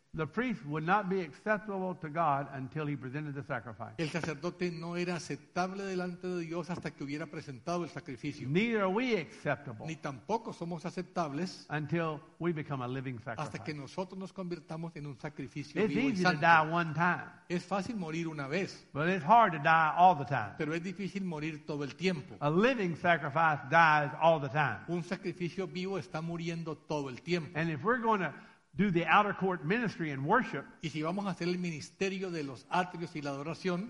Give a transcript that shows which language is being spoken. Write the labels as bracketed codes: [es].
[en] The priest would not be acceptable to God until he presented the sacrifice. [es] El sacerdote no era aceptable delante de Dios hasta que hubiera presentado el sacrificio. [en] Neither are we acceptable. [es] Ni tampoco somos aceptables. [en] Until we become a living sacrifice. [es] Hasta que nosotros nos convirtamos en un sacrificio vivo y santo. [en] It's easy to die one time. [es] Es fácil morir una vez. [en] But it's hard to die all the time. [es] Pero es difícil morir todo el tiempo. [en] A living sacrifice dies all the time. [es] Un sacrificio vivo está muriendo todo el tiempo. [en] And if we're going to do the outer court ministry and worship. [es] Y si vamos a hacer el ministerio de los atrios y la adoración,